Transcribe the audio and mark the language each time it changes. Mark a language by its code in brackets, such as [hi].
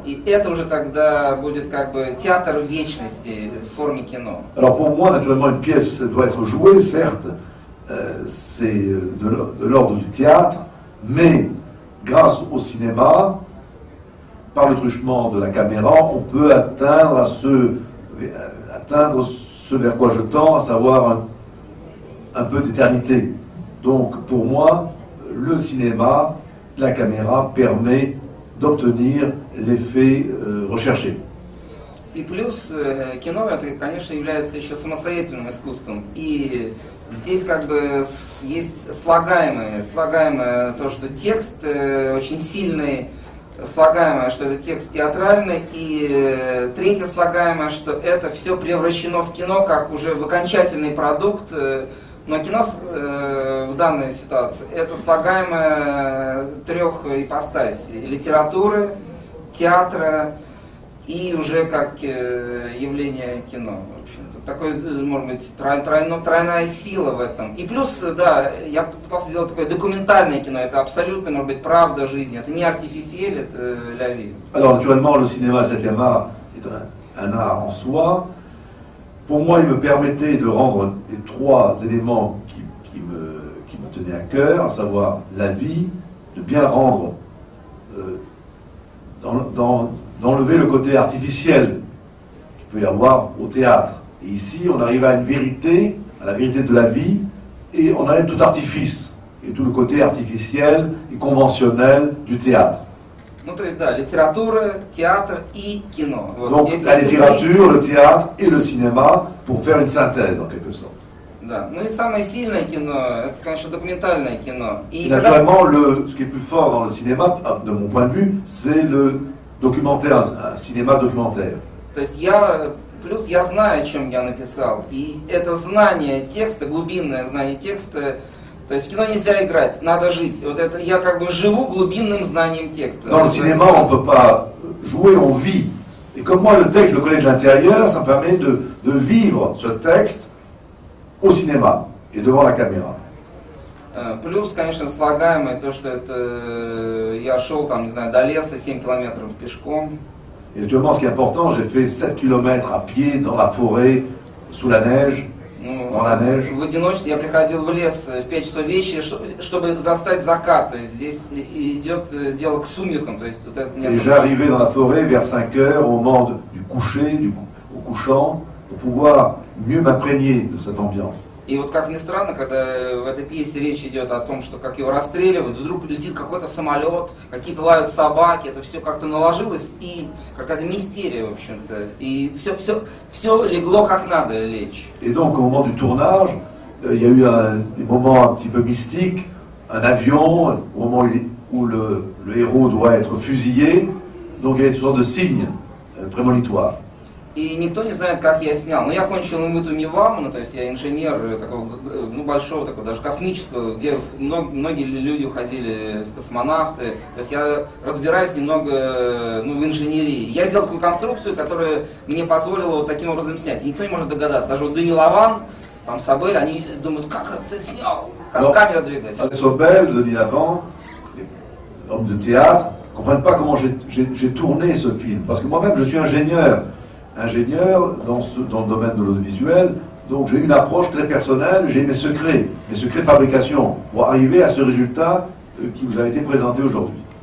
[ru] И это уже тогда будет как бы театр вечности в форме кино. [fr] Alors, pour moi, naturellement, une pièce doit être jouée, certes, c'est de l'ordre du théâtre, mais grâce au cinéma, par le truchement de la caméra, on peut atteindre ce vers quoi je tends, à savoir un peu d'éternité. Donc, pour moi, le cinéma, la caméra, permet d'obtenir l'effet recherché. [ru] И плюс кино, это, конечно, является еще самостоятельным искусством. И здесь как бы есть слагаемое то, что текст очень сильный, слагаемое, что это текст театральный, и третье слагаемое, что это все превращено в кино, как уже в окончательный продукт. Но кино в данной ситуации – это слагаемое трех ипостасей – литературы, театра и уже как явление кино. В общем-то, такой, может быть, тройная сила в этом. И плюс, да, я пытался сделать такое документальное кино. Это абсолютно, может быть, правда жизни. Это не артифисиэль, это [fr] ля ви. Alors, naturellement, le cinéma, septième art, c'est un art en soi. Pour moi, il me permettait de rendre les trois éléments qui me tenaient à cœur, à savoir la vie, de bien rendre, d'enlever le côté artificiel qu'il peut y avoir au théâtre. Et ici, on arrive à une vérité, à la vérité de la vie, et on enlève tout artifice, et tout le côté artificiel et conventionnel du théâtre. [ru] Ну, то есть, да, литература, театр и кино. [fr] Donc, вот, la littérature, le théâtre et le cinéma pour faire une synthèse, en quelque sorte. [ru] Да, ну и самое сильное кино, это, конечно, документальное кино. [fr] Et naturellement, ce qui est plus fort dans le cinéma, de mon point de vue, c'est le documentaire, un cinéma documentaire. [ru] То есть, я знаю, о чем я написал. И это знание текста, глубинное знание текста, то есть в кино нельзя играть, надо жить. Вот это я как бы живу глубинным знанием текста. [fr] Dans le cinéma, on ne peut pas jouer, on vit. Et comme moi, le texte, je le connais de l'intérieur, ça me permet de vivre ce texte au cinéma et devant la caméra. [ru] Плюс, конечно, слагаемое то, что это я шел там, не знаю, до леса 7 километров пешком. [fr] Et justement, ce qui est important, j'ai fait 7 km à pied dans la forêt, sous la neige. Dans la neige. [ru] В одиночестве я приходил в лес в 5 часов вечера, чтобы застать закат. То есть здесь идет дело к сумеркам. То есть вот это мне. [fr] Et j'arrivais dans la forêt vers 5 heures au moment du coucher, au couchant, pour pouvoir mieux m'imprégner de cette ambiance. [ru] И вот как ни странно, когда в этой пьесе речь идет о том, что как его расстреливают, вдруг летит какой-то самолет, какие-то лают собаки, это все как-то наложилось, и какая-то мистерия, в общем-то. И все легло как надо лечь. [fr] Et donc, au moment du tournage, il y a eu des moments un petit peu mystiques, un avion, au moment où le héros doit être fusillé, donc il y a une sorte de signe prémonitoire. [ru] И никто не знает, как я снял. Но я кончил МВТУ МИВАМНа, то есть я инженер такого, ну, большого, такого, даже космического, где многие люди уходили в космонавты. То есть я разбираюсь немного, ну, в инженерии. Я сделал такую конструкцию, которая мне позволила вот таким образом снять. И никто не может догадаться. Даже вот Дени Лаван, там Собель, они думают, как это снял? Как Alors, камера двигается? [fr] Собель, Дени Лаван, homme de théâtre, ne comprennent pas comment j'ai tourné ce film. Parce que moi-même, je suis ingénieur. Ingénieur dans le domaine de l'audiovisuel, donc j'ai une approche très personnelle, j'ai mes secrets de fabrication pour arriver à ce résultat qui vous a été présenté aujourd'hui.